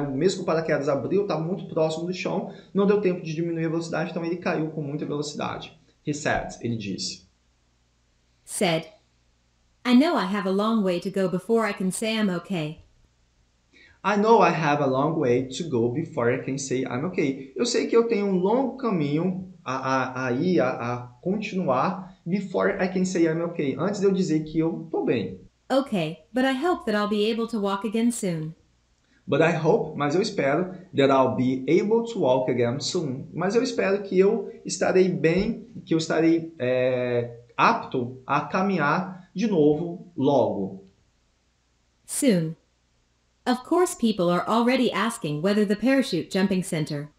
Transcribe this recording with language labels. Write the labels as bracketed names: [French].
[Portuguese] Mesmo que o paraquedas abriu, tá muito próximo do chão, não deu tempo de diminuir a velocidade, então ele caiu com muita velocidade. [English] He said, [Portuguese] ele disse. [English] Said, I know I have a long way to go before I can say I'm okay. I know I have a long way to go before I can say I'm okay. [Portuguese] Eu sei que eu tenho um longo caminho a continuar [English] before I can say I'm okay. [Portuguese] Antes de eu dizer que eu tô bem. [English] Okay, but I hope that I'll be able to walk again soon. But I hope, [Portuguese] mas eu espero, [English] that I'll be able to walk again soon. [Portuguese] Mas eu espero que eu estarei bem, que eu estarei apto a caminhar de novo logo. [English] Soon. Of course, people are already asking whether the parachute jumping center.